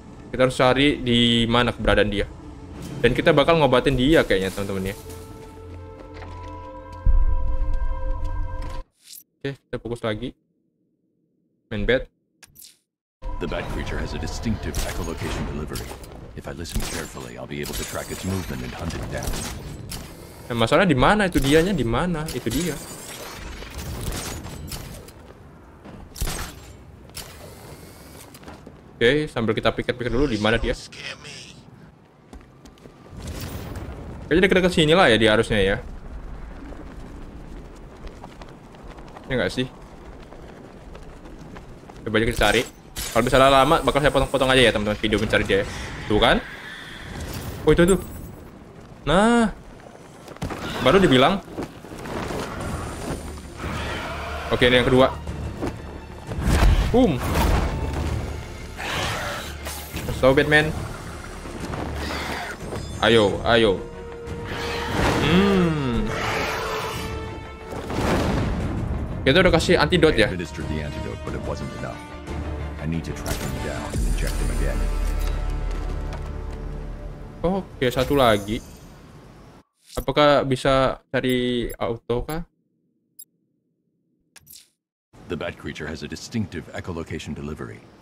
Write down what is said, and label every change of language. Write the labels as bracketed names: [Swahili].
[Indonesian] Kita harus cari di mana keberadaan dia. Dan kita bakal ngobatin dia kayaknya teman-teman ya. Oke, kita fokus lagi. Main bed. [English] The bat creature has a distinctive echolocation delivery. If I listen carefully, I'll be able to track its movement and hunt it down. [Indonesian] Nah, masalahnya di mana itu dianya? Di mana itu dia? Oke, okay, sambil kita pikir-pikir dulu di mana dia. Kayaknya dekat-dekat sini lah ya dia harusnya ya. Ya enggak sih? Coba aja kita cari. Kalau misalnya lama, bakal saya potong-potong aja ya teman-teman video mencari dia ya. Tuh kan? Oh itu. Nah. Baru dibilang. Oke, ini yang kedua. Boom. [English] So, Batman. [Indonesian] Ayo. Kita udah kasih antidot ya. [English] I need to track him down and inject him again. [Indonesian] Oke, satu lagi. Apakah bisa cari auto kah? [English] The bat creature has a distinctive echolocation delivery.